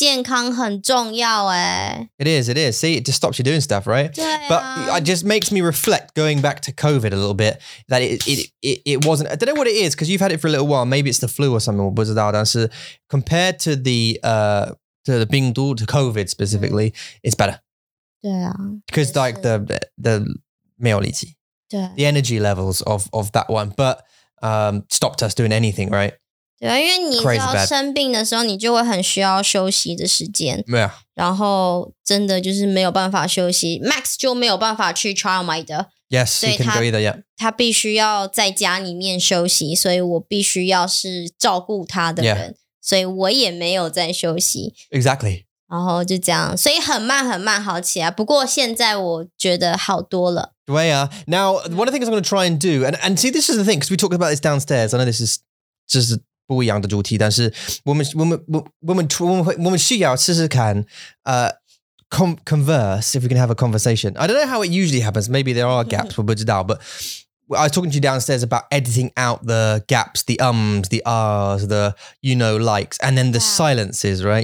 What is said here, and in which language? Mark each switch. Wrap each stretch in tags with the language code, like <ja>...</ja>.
<zh>好烦哦,真的身体健康很重要耶.</zh> <en>It is. See, it just stops you doing stuff, right?</en> <zh>对啊。</zh> <en>But it just makes me reflect going back to COVID a little bit that it wasn't, I don't know what it is because you've had it for a little while. Maybe it's the flu or something.</en> <zh>我不知道, 但是</zh> <en>compared to the, to the</en> <zh>病毒,</zh> <en>to COVID specifically, it's better. Yeah. Because like the</en> <zh>没有力气,</zh> <en>the energy levels of that one, but stopped us doing anything, right?</en> <zh>对啊,因为你知道生病的时候,你就会很需要休息的时间.</zh> <en>Yeah.</en> <zh>然后真的就是没有办法休息, Max就没有办法去 Childminder.</zh> <en>Yes, you can go either, yeah.</en> <zh>他必须要在家里面休息, 所以我必须要是照顾他的人。</zh> <en>Yeah.</en> <zh>所以我也没有在休息</zh> <en>Exactly</en> <zh>然后就这样 所以很慢很慢好起来 不过现在我觉得好多了对啊</zh> <en>Now, one of the things I'm going to try and do And see, this is the thing Because we talked about this downstairs I know this is</en> <zh>这是不一样的主题 但是我们需要试试看</zh> <en>converse If we can have a conversation I don't know how it usually happens Maybe there are gaps</en> <zh>我不知道</zh> <en>But I was talking to you downstairs about editing out the gaps, the ums, the ahs, the, you know, likes, and then the silences, right?</en>